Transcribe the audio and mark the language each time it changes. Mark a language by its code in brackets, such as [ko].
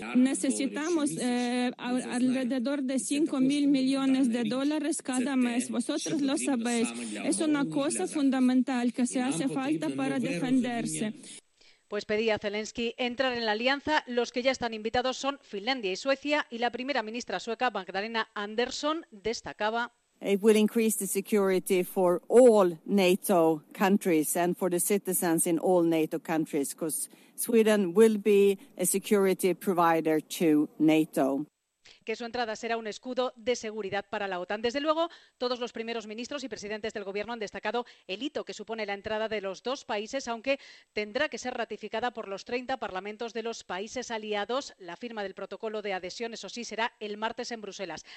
[es] Necesitamos alrededor de 5.000 millones de dólares cada mes. Vosotros lo sabéis. Es una cosa fundamental que se hace falta para defenderse. Pues pedía Zelensky entrar en la alianza. Los que ya están invitados son Finlandia y Suecia. Y la primera ministra sueca, Magdalena Andersson, destacaba. [en] It will increase the security for all NATO countries and for the citizens in all NATO countries, because Sweden will be a security provider to NATO. [es] que su entrada será un escudo de seguridad para la OTAN. Desde luego, todos los primeros ministros y presidentes del gobierno han destacado el hito que supone la entrada de los dos países, aunque tendrá que ser ratificada por los 30 parlamentos de los países aliados. La firma del protocolo de adhesión, eso sí, será el martes en Bruselas.